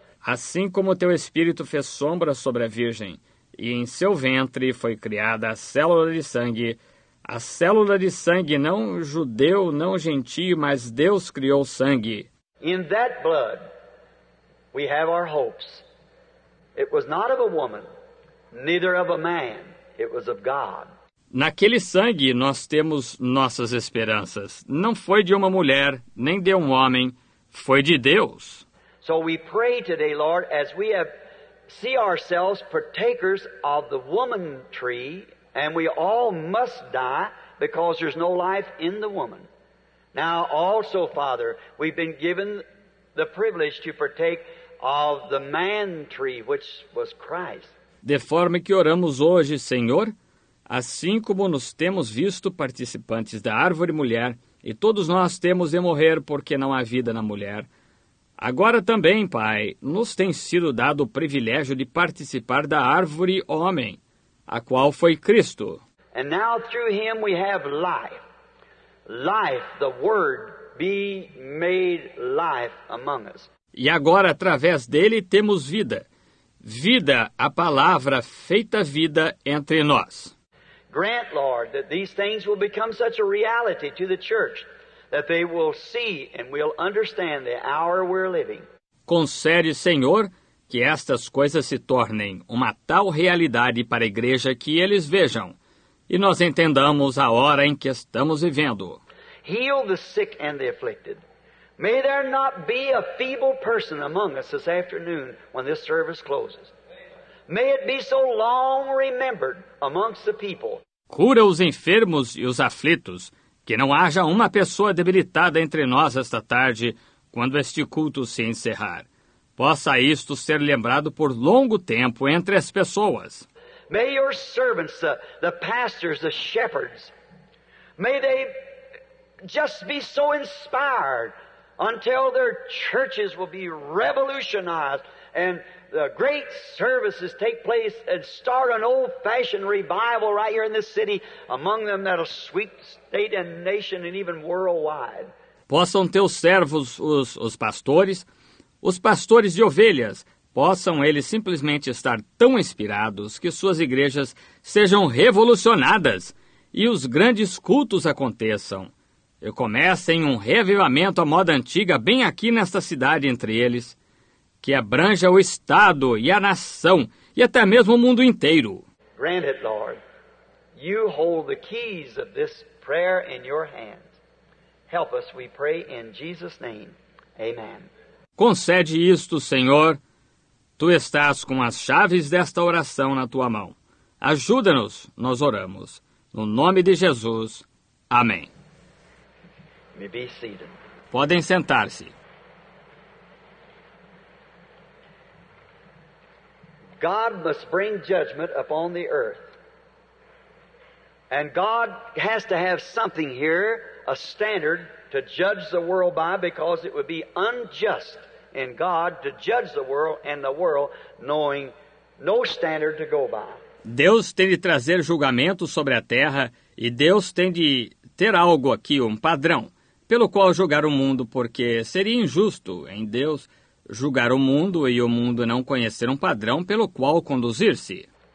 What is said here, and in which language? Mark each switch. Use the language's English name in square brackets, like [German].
[Portuguese] Assim como teu espírito fez sombra sobre a virgem, e em seu ventre foi criada a célula de sangue, a célula de sangue não judeu, não gentio, mas Deus criou sangue. [English] In that blood, we have our hopes. It was not of a woman, neither of a man. It was of God. [Portuguese] Naquele sangue, nós temos nossas esperanças. Não foi de uma mulher, nem de um homem. Foi de Deus. [English] So we pray today, Lord, as we have see ourselves partakers of the woman tree. And we all must die because there's no life in the woman. Now also, Father, we've been given the privilege to partake of the man tree, which was Christ. [Portuguese] De forma que oramos hoje, Senhor, assim como nos temos visto participantes da árvore mulher, e todos nós temos de morrer porque não há vida na mulher, Agora também, Pai, nos tem sido dado o privilégio de participar da árvore homem, a qual foi Cristo. [English] And now through him we have life. Life, the word, be made life among us. [Portuguese] E agora, através dele, temos vida. Vida, a palavra feita vida entre nós. [English] Grant, Lord, that these things will become such a reality to the church that they will see and will understand the hour we're living. [Portuguese] Concede, Senhor, que estas coisas se tornem uma tal realidade para a igreja que eles vejam e nós entendamos a hora em que estamos vivendo. [English] Heal the sick and the afflicted. May there not be a feeble person among us this afternoon when this service closes. May it be so long remembered amongst the people. [Portuguese] Cura os enfermos e os aflitos, que não haja uma pessoa debilitada entre nós esta tarde, quando este culto se encerrar. Possa isto ser lembrado por longo tempo entre as pessoas. [English] May your servants, the pastors, the shepherds, may they just be so inspired until their churches will be revolutionized and the great services take place and start an old-fashioned revival right here in this city among them that will sweep state and nation and even worldwide. [Portuguese] Possam teus servos, os pastores de ovelhas, possam eles simplesmente estar tão inspirados que suas igrejas sejam revolucionadas e os grandes cultos aconteçam. Eu começo em um reavivamento à moda antiga bem aqui nesta cidade entre eles, que abranja o Estado e a nação e até mesmo o mundo inteiro. [English] Grant it, Lord. You hold the keys of this prayer in your hands. Help us, we pray in Jesus' name. Amen. [Portuguese] Concede isto, Senhor. Tu estás com as chaves desta oração na tua mão. Ajuda-nos, nós oramos. No nome de Jesus. Amém. Podem sentar-se. [English] God must bring judgment upon the earth. And God has to have something here, a standard to judge the world by, because it would be unjust in God to judge the world and the world knowing no standard to go by. [Portuguese] Deus tem de trazer julgamento sobre a terra e Deus tem de ter algo aqui, um padrão, pelo qual julgar o mundo, porque seria injusto em Deus julgar o mundo e o mundo não conhecer um padrão pelo qual conduzir-se.